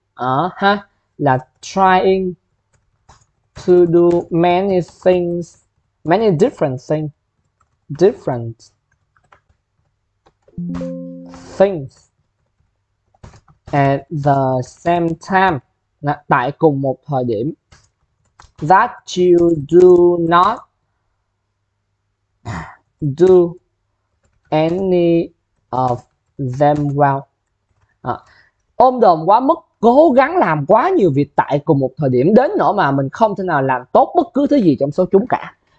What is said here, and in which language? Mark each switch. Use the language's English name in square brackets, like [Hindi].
[Vietnamese] Ha là [English] trying to do many different things at the same time, [Vietnamese] là tại cùng một thời điểm. [English] That you do not do any of them well. [Vietnamese] Ôm đồm quá mức, cố gắng làm quá nhiều việc tại cùng một thời điểm đến nỗi mà mình không thể nào làm tốt bất cứ thứ gì trong số chúng cả.